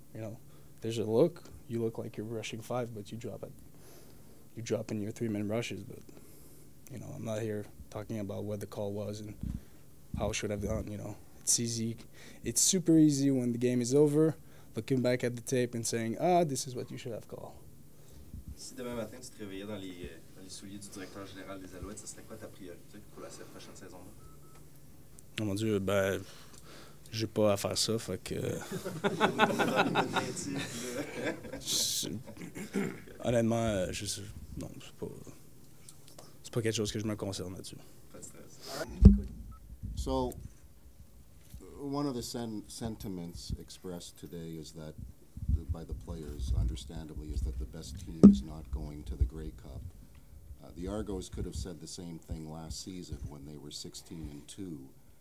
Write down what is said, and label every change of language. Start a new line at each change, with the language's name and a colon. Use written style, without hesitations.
English: You know, there's a look. You look like you're rushing 5, but you drop it. You drop in your 3-man rushes. But, you know, I'm not here talking about what the call was and how should I have done, you know. It's easy. It's super easy when the game is over, looking back at the tape and saying, this is what you should have called.
French: Si demain matin, tu te réveillais dans les souliers du directeur général des Alouettes, ça serait quoi ta priorité pour la prochaine saison? Oh mon Dieu, ben, j'ai pas à faire ça, fait que... Honnêtement, je sais, non, c'est pas quelque chose que je me concerne là-dessus.
English: So, one of the sentiments expressed today is that by the players, understandably, is that the best team is not going to the Grey Cup. The Argos could have said the same thing last season when they were 16-2.